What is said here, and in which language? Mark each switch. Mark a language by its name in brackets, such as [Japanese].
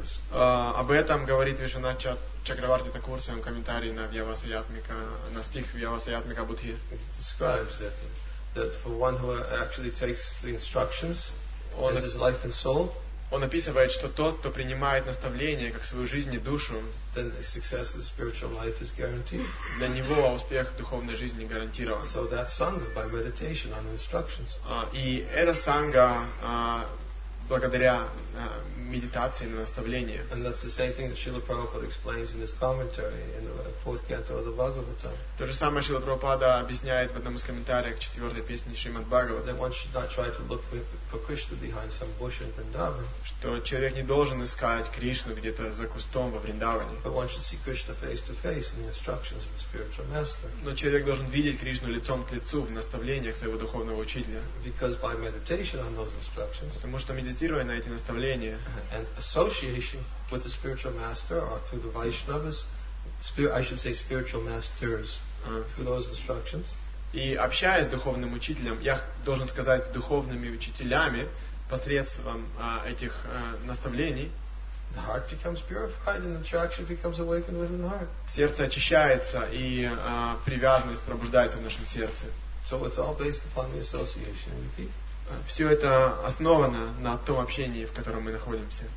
[Russian] Об этом говорит Вишванатх Чакраварти Такур в своем комментарии на Вьявасаятмика, на стих Вьявасаятмика Будхи. [English] That for one who actually takes the instructions as his life and soul, [Russian] он описывает, что тот, кто принимает наставления как свою жизнь и душу, [English] then the success of spiritual life is guaranteed. [Russian] Для него успех духовной жизни гарантирован. [English] So that sangha by meditation on instructions. [Russian] И эта санга благодаря медитации на наставления. [English] And that's the same thing that Srila Prabhupada explains in his commentary in the fourth canto of the Bhagavatam. [Russian] То же самое Шрила Прабхупада объясняет в одном из комментариев к четвертой песне Шримад Бхагавата. [English] That one should not try to look for Krishna behind some bush in Vrindavan. [Russian] Что человек не должен искать Кришну где-то за кустом во Вриндаване. [English] But one should see Krishna face to face in the instructions of a spiritual master. [Russian] Но человек должен видеть Кришну лицом к лицу в наставлениях своего духовного учителя. [English] Because by meditation on those instructions. [Russian] Потому что медитируя на эти наставления. [English] And association with the spiritual master or through the Vaishnavas, spiritual masters through those instructions. [Russian] И общаясь с духовным учителем, я должен сказать, с духовными учителями посредством этих наставлений. [English] The heart becomes purified and attraction becomes awakened within the heart. [Russian] Сердце очищается и привязанность пробуждается в нашем сердце. [English] So it's all based upon the association. [Russian] Все это основано на том общении, в котором мы находимся.